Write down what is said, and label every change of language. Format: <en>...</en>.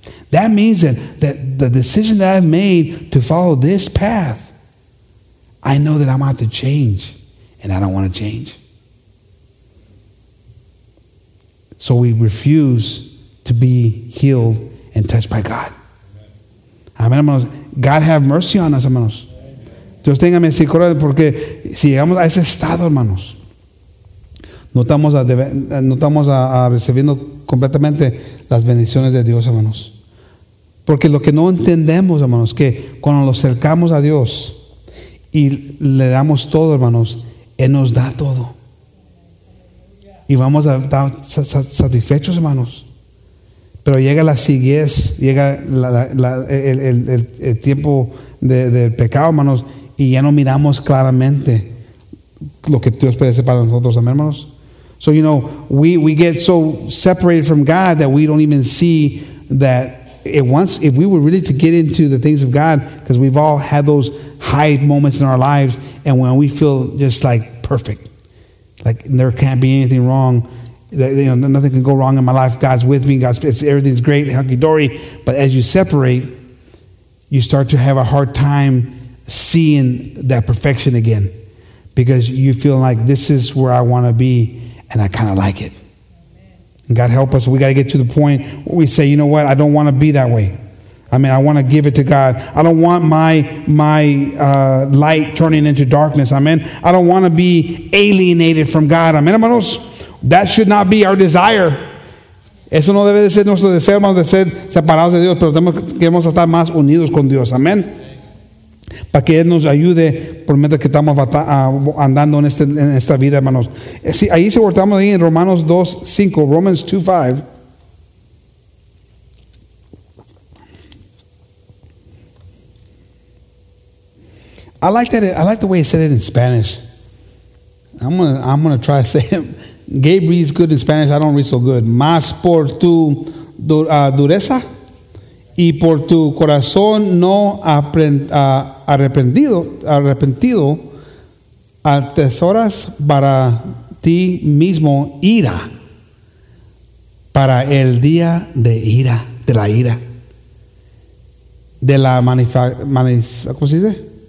<en>That means that the decision that I've made to follow this path, I know that I'm going to have to change, and I don't want to change. So we refuse to be healed and touched by God. Amén,</en> <es>hermanos.</es> <en>God have mercy on us, hermanos.</en> <es>Dios tenga misericordia porque si llegamos a ese estado, hermanos, no estamos recibiendo completamente las bendiciones de Dios, hermanos. Porque lo que no entendemos, hermanos, que cuando nos acercamos a Dios y le damos todo, hermanos, Él nos da todo. Y vamos a estar satisfechos, hermanos. Pero llega la ciguez, llega el tiempo del pecado, hermanos, y ya no miramos claramente lo que Dios puede hacer para nosotros, amén, hermanos.</es> <en>So, you know, we get so separated from God that we don't even see that if we were really to get into the things of God, because we've all had those high moments in our lives, and when we feel just like perfect, like there can't be anything wrong, you know, nothing can go wrong in my life, God's with me, everything's great, hunky-dory. But as you separate, you start to have a hard time seeing that perfection again, because you feel like this is where I want to be, and I kind of like it. And God help us, we got to get to the point where we say, you know what, I don't want to be that way. I mean, I want to give it to God. I don't want my light turning into darkness. Amen. I don't want to be alienated from God. Amen,</en> <es>hermanos.</es> <en>That should not be our desire.</en> <es>Eso no debe de ser nuestro deseo, hermanos, de ser separados de Dios, pero queremos estar más unidos con Dios. Amén. Para que Él nos ayude por medio que estamos andando en esta vida, hermanos. Sí, ahí se cortamos ahí en Romanos 2, 5, Romans 2, 5.</es> <en>I like the way it said it in Spanish. I'm gonna try to say it. Gabe reads good in Spanish. I don't read so good.</en> <es>Más por tu dureza y por tu corazón no arrepentido, atesoras para ti mismo ira para el día de ira de la ira de la ¿cómo se dice?</es>